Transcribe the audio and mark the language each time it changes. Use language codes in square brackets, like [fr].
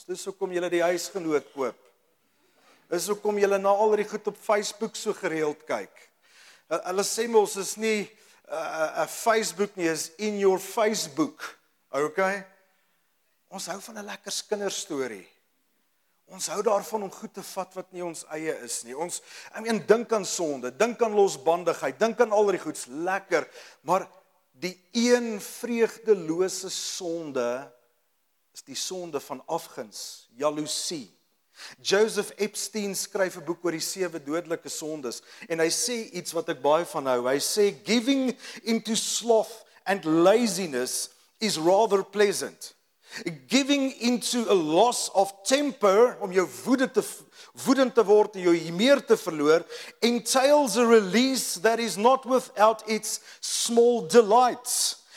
[af] Dis hoekom jy die huisgenoot koop. Dis hoekom jy na al die goed op Facebook so gereeld kyk. Hulle sê mos is nie Facebook nie, is [en] in your Facebook. [af] Ok? Ons hou van 'n lekker skinder story. Ons hou daarvan om goed te vat wat nie ons eie is nie. Ons, [en] I mean, [af] dink aan sonde, dink aan losbandigheid, dink aan al die goeds, lekker. Maar die een vreugdelose sonde is die sonde van afguns, jaloesie. Joseph Epstein skryf 'n boek oor die 7 dodelike sondes en hy sê iets wat ek baie van hou. Hy sê, [en] giving into sloth and laziness is rather pleasant. giving into a loss of temper, [af] om jou woedend te word, jou humeur te verloor, [en] entails a release that is not without its small delights.